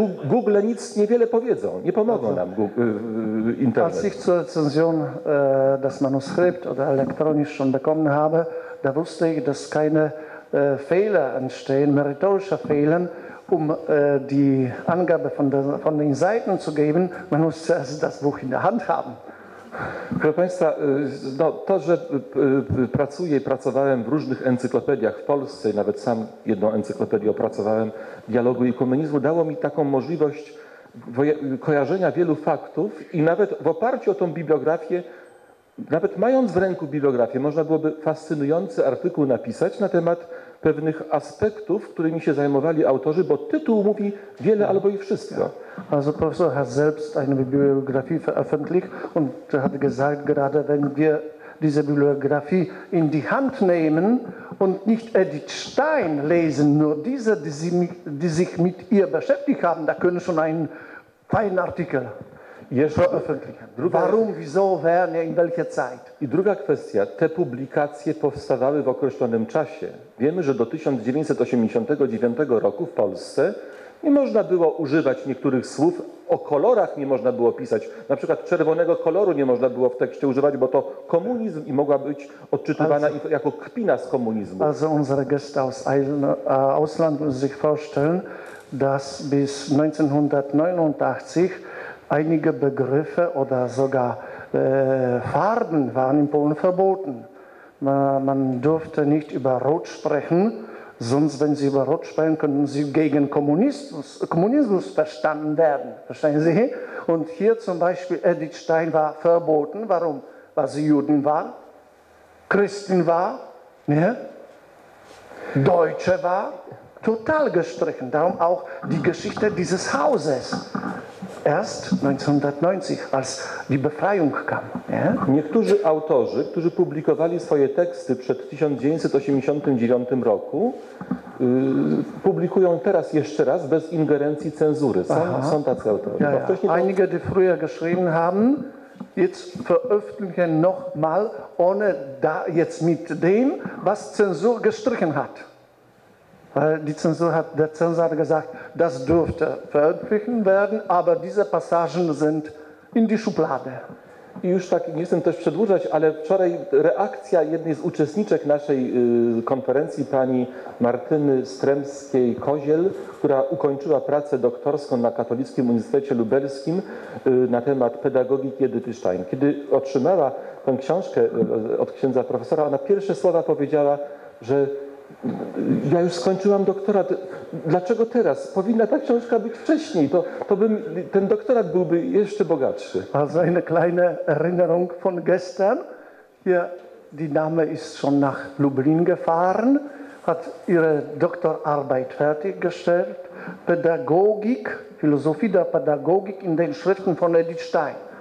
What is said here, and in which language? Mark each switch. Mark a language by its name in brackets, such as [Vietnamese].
[Polish] Google nic niewiele powiedzą, nie pomogą nam internet. [German] Als ich zur Rezension das Manuskript oder elektronisch schon bekommen habe, da wusste ich, dass keine Fehler entstehen, meritorische Fehler, die Angabe von den Seiten zu geben, man muss zuerst das Buch in der Hand haben. [Polish] Proszę Państwa, no, to, że pracuję i pracowałem w różnych encyklopediach w Polsce, nawet sam jedną encyklopedię opracowałem, dialogu i komunizmu, dało mi taką możliwość kojarzenia wielu faktów i nawet w oparciu o tą bibliografię, nawet mając w ręku bibliografię, można byłoby fascynujący artykuł napisać na temat pewnych aspektów, którymi się zajmowali autorzy, bo tytuł mówi wiele albo i wszystko. [German] Also Professor hat selbst eine Bibliografie veröffentlicht und hat gesagt, gerade wenn wir diese Bibliografie in die Hand nehmen und nicht Edith Stein lesen, nur diese, die sich mit ihr beschäftigt haben, da können schon einen feinen Artikel veröffentlichen. Warum, wieso, wer, nie, in welcher Zeit? [Polish] I druga kwestia, te publikacje powstawały w określonym czasie. Wiemy, że do 1989 roku w Polsce nie można było używać niektórych słów, o kolorach nie można było pisać. Na przykład czerwonego koloru nie można było w tekście używać, bo to komunizm i mogła być odczytywana also, jako kpina z komunizmu. [German] Also unsere Gäste aus Ausland müssen sich vorstellen, dass bis 1989 einige Begriffe oder sogar Farben waren in Polen verboten. Man durfte nicht über Rot sprechen. Sonst, wenn Sie über Rot sprechen, könnten Sie gegen Kommunismus verstanden werden. Verstehen Sie? Und hier zum Beispiel, Edith Stein war verboten. Warum? Weil sie Juden war, Christin war, ne? Deutsche war. Total gestrichen. Darum auch die Geschichte dieses Hauses. erst 1990, als die Befreiung kam. [Polish] Nie? Niektórzy autorzy, którzy publikowali swoje teksty przed 1989 roku, publikują teraz jeszcze raz bez ingerencji cenzury. Są tacy autorzy. [German] Ja, ja. Einige, die früher geschrieben haben, jetzt veröffentlichen nochmal, ohne da jetzt mit dem, was Zensur gestrichen hat. Weil die Zensur hat, der Zensor hat gesagt, das dürfte veröffentlicht werden, aber diese Passagen sind in die Schublade. [Polish] I już tak nie chcę też przedłużać, ale wczoraj reakcja jednej z uczestniczek naszej konferencji, pani Martyny Stremskiej-Koziel, która ukończyła pracę doktorską na Katolickim Uniwersytecie Lubelskim na temat pedagogiki Edyty Stein. Kiedy otrzymała tę książkę od księdza profesora, ona pierwsze słowa powiedziała, że ja już skończyłam doktorat. Dlaczego teraz? Powinna ta książka być wcześniej. Ten doktorat byłby jeszcze bogatszy. [German] Also eine kleine Erinnerung von gestern. Ja, die Dame ist schon nach Lublin gefahren, hat ihre Doktorarbeit fertiggestellt. Pädagogik, Philosophie der Pädagogik in den Schriften von Edith Stein.